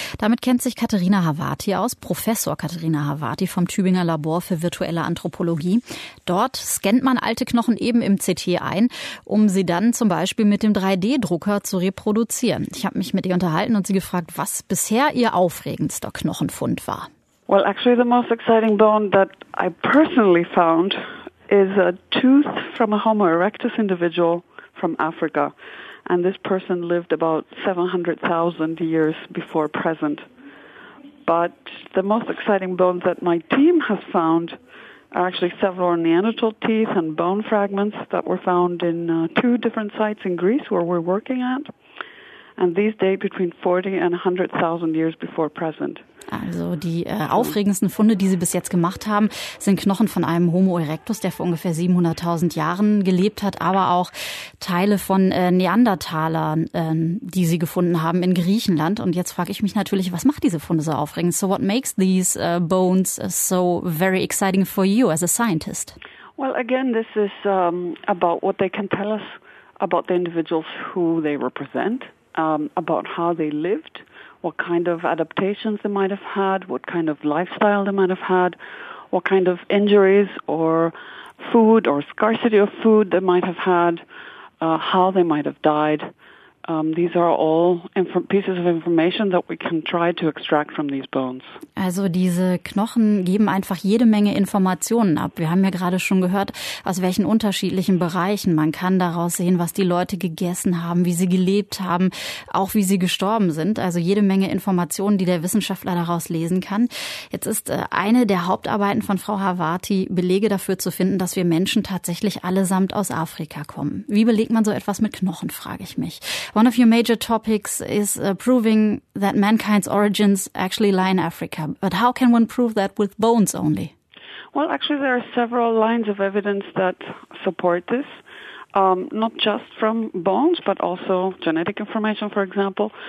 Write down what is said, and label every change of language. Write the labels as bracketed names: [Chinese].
[German] Damit kennt sich Katharina Havati aus, Professor Katharina Havati vom Tübinger Labor für virtuelle Anthropologie. Dort scannt man alte Knochen eben im CT ein, um sie dann zum Beispiel mit dem 3D-Drucker zu reproduzieren. Ich habe mich mit ihr unterhalten und sie gefragt, was bisher ihr aufregendster Knochenfund war. [English] Well, actually the most exciting bone that I personally found is a tooth from a Homo erectus individual from Africa. And this person lived about 700,000 years before present. But the most exciting bones that my team has found are actually several Neanderthal teeth and bone fragments that were found in two different sites in Greece where we're working at. And these date between 40 and 100,000 years before present. [German] Also die aufregendsten Funde, die sie bis jetzt gemacht haben, sind Knochen von einem Homo erectus, der vor ungefähr 700.000 Jahren gelebt hat, aber auch Teile von Neandertalern, die sie gefunden haben in Griechenland. Und jetzt frage ich mich natürlich, was macht diese Funde so aufregend? [English] So what makes these bones so very exciting for you as a scientist? Well, again, this is about what they can tell us about the individuals who they represent. About how they lived, what kind of adaptations they might have had, what kind of lifestyle they might have had, what kind of injuries or food or scarcity of food they might have had, how they might have died. These are all pieces of information that we can try to extract from these bones. [German] Also diese Knochen geben einfach jede Menge Informationen ab. Wir haben ja gerade schon gehört, aus welchen unterschiedlichen Bereichen. Man kann daraus sehen, was die Leute gegessen haben, wie sie gelebt haben, auch wie sie gestorben sind. Also jede Menge Informationen, die der Wissenschaftler daraus lesen kann. Jetzt ist eine der Hauptarbeiten von Frau Havati, Belege dafür zu finden, dass wir Menschen tatsächlich allesamt aus Afrika kommen. Wie belegt man so etwas mit Knochen, frage ich mich. [English] One of your major topics is proving that mankind's origins actually lie in Africa. But how can one prove that with bones only? Well, actually, there are several lines of evidence that support this, not just from bones, but also genetic information, for example.